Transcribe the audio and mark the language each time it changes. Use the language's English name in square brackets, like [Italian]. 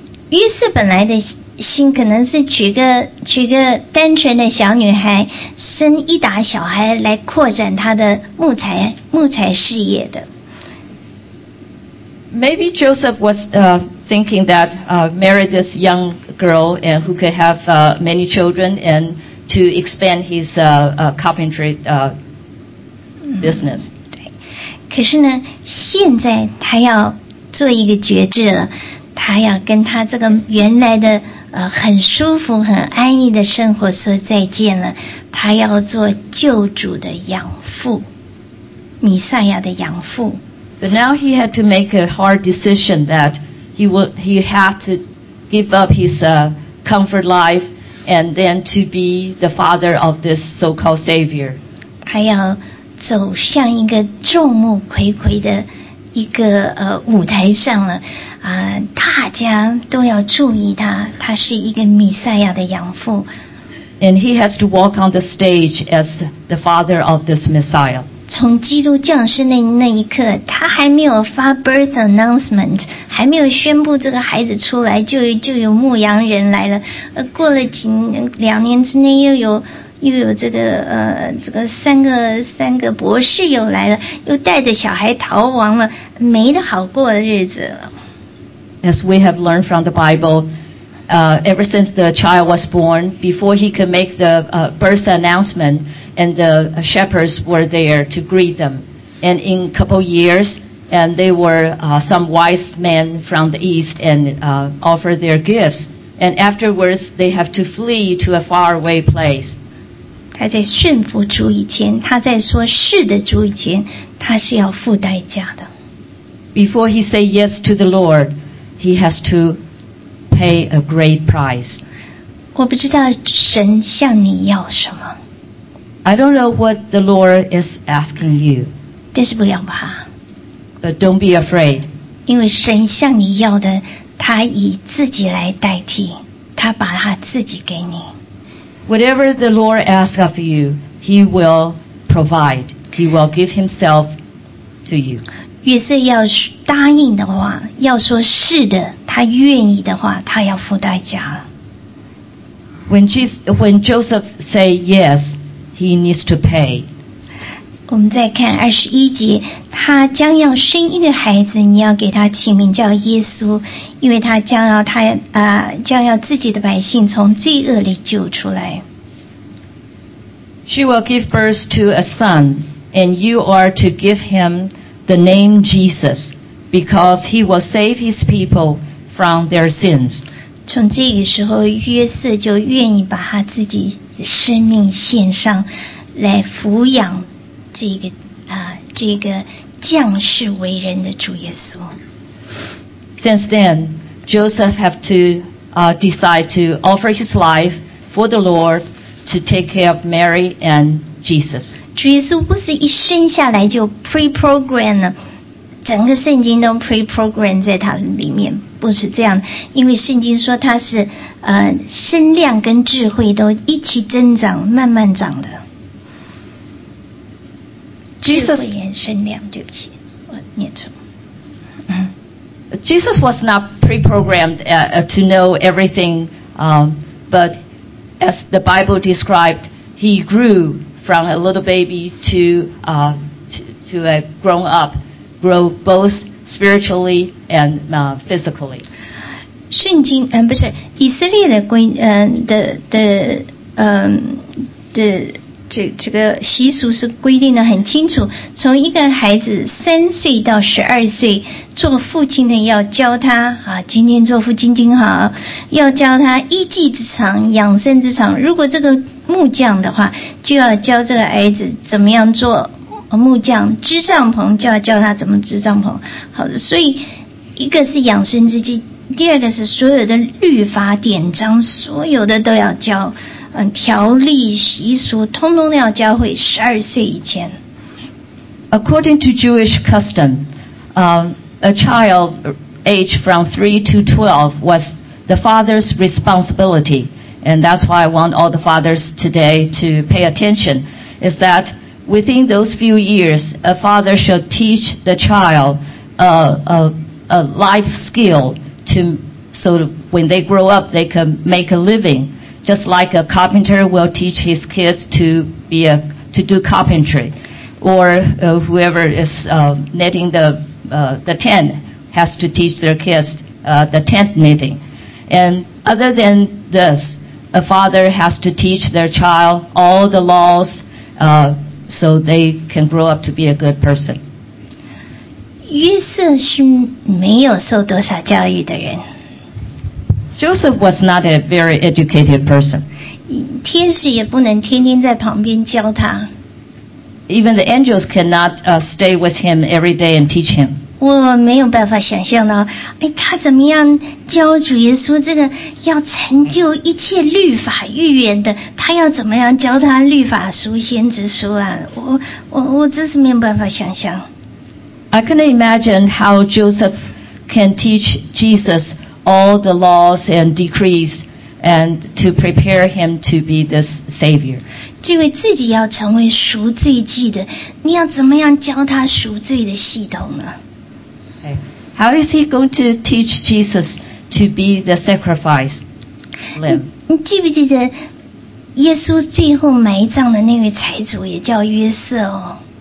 [Chinese] 约瑟本来的心可能是娶个单纯的小女孩，生一打小孩来扩展她的木材事业的。 [English] Maybe Joseph was thinking that marry this young girl and who could have many children and to expand his carpentry business. [Chinese] 可是呢，现在他要做一个决志了，他要跟他这个原来的很舒服、很安逸的生活说再见了。他要做救主的养父，弥赛亚的养父。 [English] But now he had to make a hard decision that he had to give up his comfort life and then to be the father of this so-called savior. [Chinese] 他要走向一个众目睽睽的一个舞台上了，大家都要注意他，他是一个弥赛亚的养父。 [English] And he has to walk on the stage as the father of this Messiah. [Chinese] 从基督降生的那一刻，他还没有发 [English] birth announcement， [Chinese] 还没有宣布这个孩子出来，就有牧羊人来了。过了两年之内，又有这个三个博士又来了，又带着小孩逃亡了，没得好过的日子了。 [English] As we have learned from the Bible, ever since the child was born, before he could make the birth announcement. And the shepherds were there to greet them. And in a couple years, and they were some wise men from the east and offered their gifts. And afterwards, they have to flee to a faraway place. [Chinese] 他在顺服主以前，他在说是的主以前，他是要付代价的。 [English] Before he say yes to the Lord, he has to pay a great price. [Chinese] 我不知道神向你要什么。 [English] I don't know what the Lord is asking you. [Chinese] 但是不要怕。 [English] But don't be afraid. [Chinese] 因为神向你要的，他以自己来代替，他把他自己给你。 [English] Whatever the Lord asks of you, He will provide. He will give Himself to you. [Chinese] 约瑟要答应的话，要说是的，他愿意的话，他要付代价了。 [English] When Joseph say yes. He needs to pay. [Chinese] 我们再看21节，他将要生一个孩子，你要给他起名叫耶稣，因为他将要自己的百姓从罪恶里救出来。 [English] She will give birth to a son, and you are to give him the name Jesus, because he will save his people from their sins. [Chinese] 从这个时候，约瑟就愿意把他自己。生命献上来抚养这个降世为人的主耶稣。 [English] Since then, Joseph have to decide to offer his life for the Lord to take care of Mary and Jesus. [Chinese] 主耶稣不是一生下来就 pre-programmed 了，整个圣经都 pre-programmed 在他里面。不是这样，因为圣经说他是身量跟智慧都一起增长，慢慢长的。 [English] Jesus, [Chinese] 智慧跟身量，对不起，我念错。 [English] Jesus was not pre-programmed to know everything, but as the Bible described, he grew from a little baby to a grown up, grow both. Spiritually and physically. [Chinese] 圣经不是以色列的规的这个习俗是规定的很清楚，从一个孩子3岁到12岁，做父亲的要教他啊，今天做父亲挺好，要教他一技之长、养生之长。如果这个木匠的话，就要教这个孩子怎么样做。木匠支帐篷就要教他怎么支帐篷。好的，所以一个是养生之计，第二个是所有的律法典章，所有的都要教，条例习俗通通都要教会12岁以前。 [English] According to Jewish custom, a child age from 3 to 12 was the father's responsibility, and that's why I want all the fathers today to pay attention. Is that within those few years, a father shall teach the child a life skill to, so when they grow up, they can make a living, just like a carpenter will teach his kids to do carpentry, or whoever is netting the tent has to teach their kids the tent knitting. And other than this, a father has to teach their child all the laws so they can grow up to be a good person. [Chinese] 约瑟是没有受多少教育的人。 [English] Joseph was not a very educated person. [Chinese] 天使也不能天天在旁边教他。 [English] Even the angels cannot stay with him every day and teach him. [Chinese] 我没有办法想象呢，哎，他怎么样教主耶稣这个要成就一切律法预言的？他要怎么样教他律法书、先知书啊？我真是没有办法想象。 [English] I couldn't imagine how Joseph can teach Jesus all the laws and decrees and to prepare him to be this Savior. [Chinese] 这位自己要成为赎罪祭的，你要怎么样教他赎罪的系统呢？ [English] How is he going to teach Jesus to be the sacrifice lamb? [Chinese] 你记不记得耶稣最后埋葬的那位财主也叫约瑟哦？